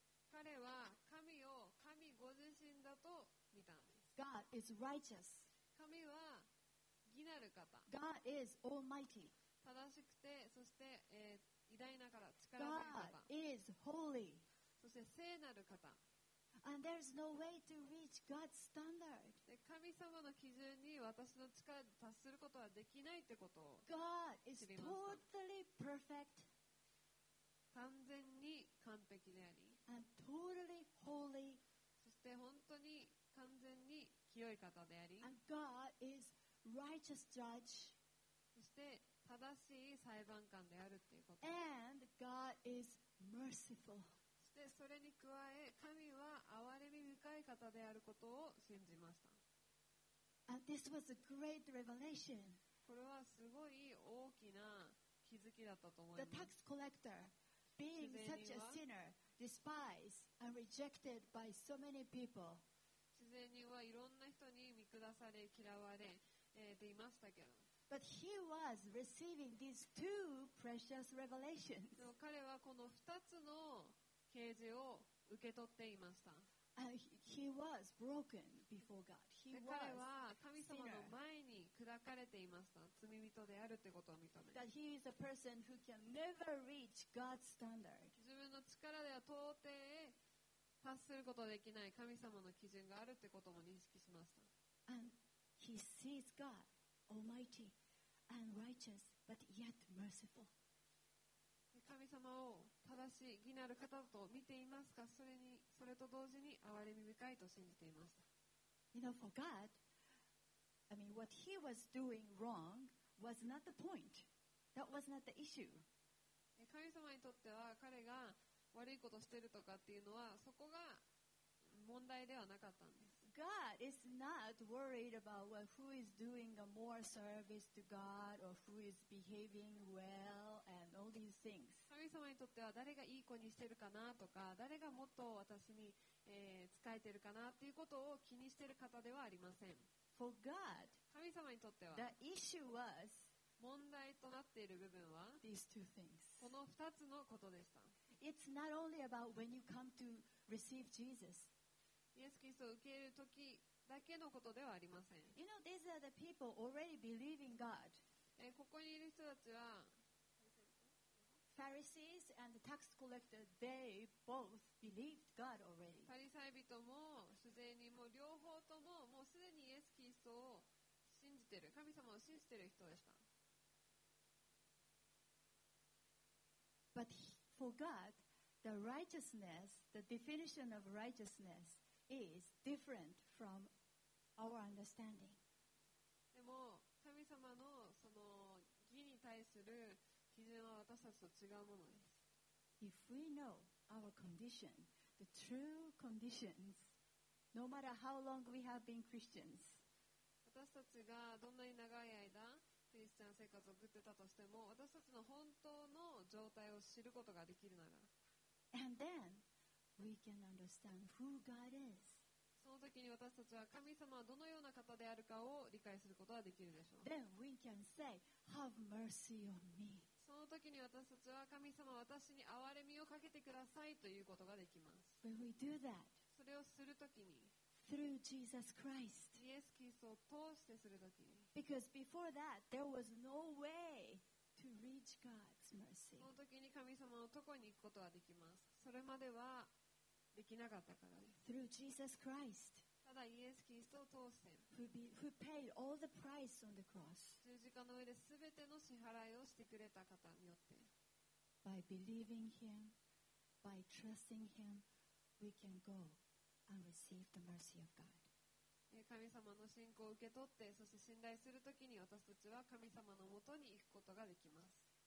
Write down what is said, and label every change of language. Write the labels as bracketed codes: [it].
[ja] 彼は神を神ご自身だと見たんです。 [en] God is righteous. [ja] 神は義なる方。 [en] God is almighty. [ja] 正しくて、そして、偉大なから力強い方。 [en] God is holy. [ja] そして聖なる方。 [en] And there's no way to reach God's standard. [ja] 神様の基準に私の力で達することはできないってことを [en] God is totally perfect. [ja] 完全に完璧であり [en] And totally holy. [ja] そして本当に完全に清い方であり [en] And God is righteous judge. [ja] そして正しい裁判官であるっていうこと [en] And God is merciful [ja] でそれに加え神は憐れみ深い方であることを信じました [en] And this was a great revelation. [ja] これはすごい大きな気づきだったと思います [en] The tax collector being such a sinner despised and rejected by so many people [ja] 自然にはいろんな人に見下され嫌われ、ていましたけど [en] But he was receiving these two precious revelations. [ja] でも彼はこの2つの啓示を受け取っていました。 [en] He was broken before God. He was [ja] 彼は神様の前に砕かれていました。罪人であるってことを認め。 [en] That he is a person who can never reach God's standard. [ja] 自分の力では到底達することができない神様の基準があるってことも認識しました。 [en] And he sees God, Almighty and righteous, but yet merciful. [ja] 神様を正しい義なる方と見ていますか それと同時に憐れみ深いと信じていました [en] You know, for God, I mean, what he was doing wrong was not the point. That was not the issue. [ja] 神様にとっては彼が悪いことをしているとかっていうのはそこが問題ではなかったんです [en] God is not worried about who is doing more service to God or who is behaving well and all these things. [ja] 神様にとっては誰がいい子にしてるかなとか、誰がもっと私に、仕えてるかなっていうことを気にしてる方ではありません。 [en] For God, [ja] 神様にとっては [en] the issue was [ja] 問題となっている部分は [en] these two things. [ja] この二つのことでした。 [en] It's not only about when you come to receive Jesus. [ja] イエス・キリストを受けるときだけのことではありません。 [en] You know, these are the people already believing God. [ja] ここにいる人たちは、 [en] Pharisees and the tax collector, they both believed God already. [ja] パリサイ人も、主税人も、両方とも、もうすでにイエス・キリストを信じている、神様を信じている人でした。 [en] But for God, the righteousness, the definition of righteousness, is different. different from our understanding. [ja] でも神様のその義に対する基準は私たちと違うものです。 [en] If we know our condition, the true conditions, no matter how long we have been Christians, [ja] 私たちがどんなに長い間クリスチャン生活を送ってたとしても、私たちの本当の状態を知ることができるなら、 [en] And then we can understand who God is. [ja] その時に私たちは神様はどのような方であるかを理解することができるでしょう。 [en] Then we can say, Have mercy on me. [ja] その時に私たちは神様は私に憐れみをかけてくださいということができます。 [en] When we do that, [ja] それをするときに。 [en] Through Jesus Christ. [ja] イエス・キリストを通してするとき。 [en] Because before that, there was no way to reach God's mercy. [ja] その時に神様のところに行くことはできます。それまではできなかったからです。 [en] Through Jesus Christ. [ja] ただイエス・キリストを通して。 [en] Who paid all the price on the cross. [ja] 十字架の上で全ての支払いをしてくれた方によって。 [en] By believing Him, by trusting Him, we can go. And receive the mercy of God. [ja] 神様の信仰を受け取って、そして信頼するときに私たちは神様のもとに行くことができます。